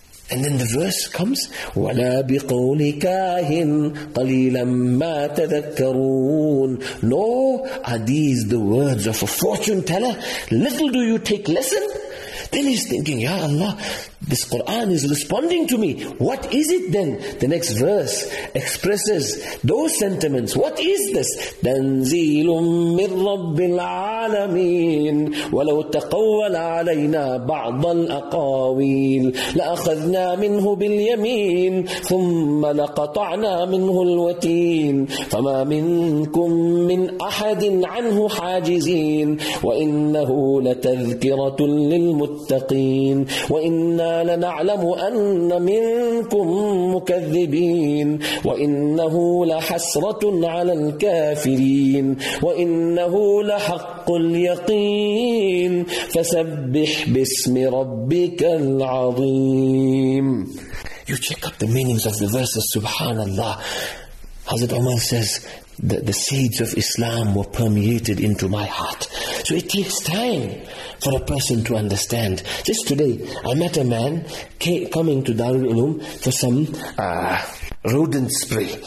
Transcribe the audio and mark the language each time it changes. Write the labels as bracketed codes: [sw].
[en] And then the verse comes, [ar] وَلَا بِقَوْلِ كَاهِنْ قَلِيلًا مَا تَذَكَّرُونَ. [en] No, are these the words of a fortune teller? Little do you take lesson. Then he's thinking, Ya Allah, this Quran is responding to me. What is it then? The next verse expresses those sentiments. What is this? [ar] تَنْزِيلٌ مِّن رَبِّ الْعَالَمِينَ وَلَوْ تَقَوَّلَ عَلَيْنَا بَعْضَ الْأَقَاوِيلِ لَأَخَذْنَا مِنْهُ بِالْيَمِينِ ثُمَّ لَقَطَعْنَا مِنْهُ الْوَتِينِ فَمَا مِنْكُمْ مِنْ أَحَدٍ عَنْهُ حَاجِزِينَ وَإِنَّهُ لَتَذْكِرَةٌ لِلْمُتَّقِينَ وَإِنَّ لنعلم أن منكم مكذبين وإنه لحسرة على الكافرين وإنه لحق اليقين فسبح باسم ربك العظيم. [en] You check up the meanings of the verses, subhanAllah. Hazrat Umar says, the seeds of Islam were permeated into my heart. So it takes time for a person to understand. Just today, I met a man coming to Darul Ulum for some rodent spray.